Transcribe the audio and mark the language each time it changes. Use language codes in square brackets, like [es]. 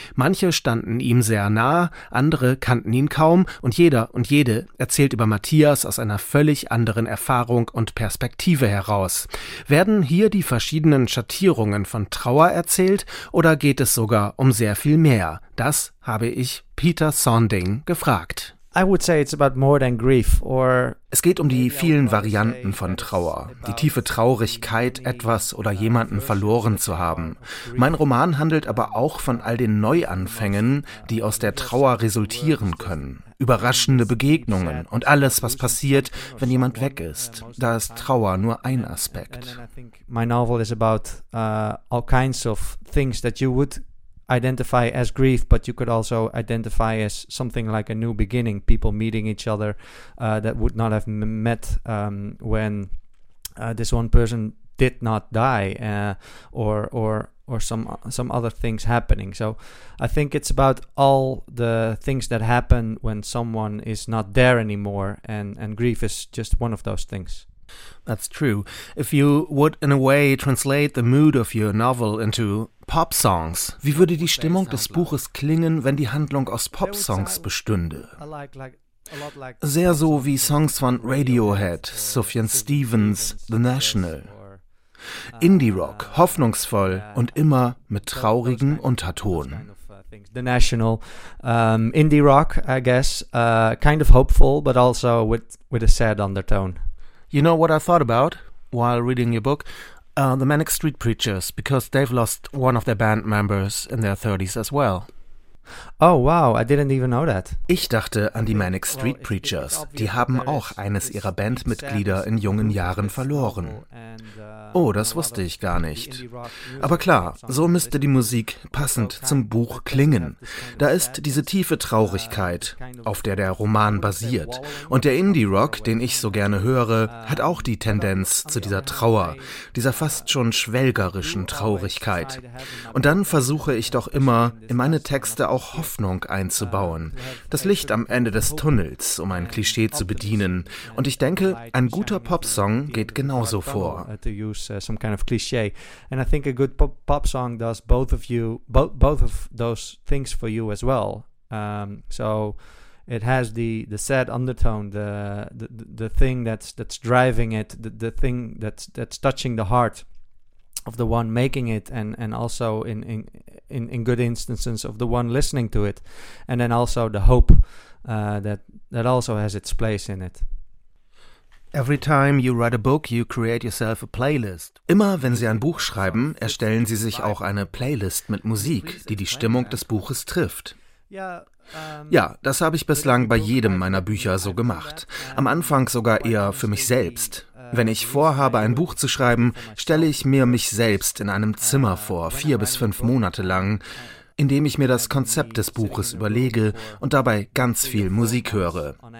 [de] Manche standen ihm sehr nah, andere kannten ihn kaum und jeder und jede erzählt über Matthias aus einer völlig anderen Erfahrung und Perspektive heraus. Werden hier die verschiedenen Schattierungen von Trauer erzählt oder geht es sogar um sehr viel mehr? Das habe ich Peter Sonding gefragt. [en] I would say it's about more than grief or [de] es geht um die vielen Varianten von Trauer, die tiefe Traurigkeit, etwas oder jemanden verloren zu haben. Mein Roman handelt aber auch von all den Neuanfängen, die aus der Trauer resultieren können. Überraschende Begegnungen und alles, was passiert, wenn jemand weg ist. Da ist Trauer nur ein Aspekt. [en] My novel is about all kinds of things that you would identify as grief, but you could also identify as something like a new beginning, people meeting each other that would not have met when this one person did not die or some other things happening. So I think it's about all the things that happen when someone is not there anymore, and grief is just one of those things. That's true. If you would, in a way, translate the mood of your novel into Popsongs. [de] Wie würde die Stimmung des Buches klingen, wenn die Handlung aus Popsongs bestünde? Sehr so wie Songs von Radiohead, Sufjan Stevens, The National. Indie-Rock, hoffnungsvoll und immer mit traurigen Untertonen. [en] The National, Indie-Rock, I guess, kind of hopeful, but also with a sad undertone. You know what I thought about while reading your book? The Manic Street Preachers, because they've lost one of their band members in their 30s as well. Oh wow, I didn't even know that. [de] Ich dachte an die Manic Street Preachers. Die haben auch eines ihrer Bandmitglieder in jungen Jahren verloren. Oh, das wusste ich gar nicht. Aber klar, so müsste die Musik passend zum Buch klingen. Da ist diese tiefe Traurigkeit, auf der der Roman basiert. Und der Indie-Rock, den ich so gerne höre, hat auch die Tendenz zu dieser Trauer, dieser fast schon schwelgerischen Traurigkeit. Und dann versuche ich doch immer, in meine Texte auch Hoffnung einzubauen. Das Licht am Ende des Tunnels, um ein Klischee zu bedienen. Und ich denke, ein guter Popsong geht genauso vor. [en] Some kind of cliche. And I think a good pop song does both of those things for you as well. So it has the sad undertone, the thing that's driving it, the thing that's touching the heart of the one making it, and also in good instances of the one listening to it, and then also the hope that also has its place in it. Every time you write a book, you create yourself a playlist. [de] Immer wenn Sie ein Buch schreiben, erstellen Sie sich auch eine Playlist mit Musik, die die Stimmung des Buches trifft. Ja, das habe ich bislang bei jedem meiner Bücher so gemacht. Am Anfang sogar eher für mich selbst. Wenn ich vorhabe, ein Buch zu schreiben, stelle ich mir mich selbst in einem Zimmer vor, 4 bis 5 Monate lang, indem ich mir das Konzept des Buches überlege und dabei ganz viel Musik höre.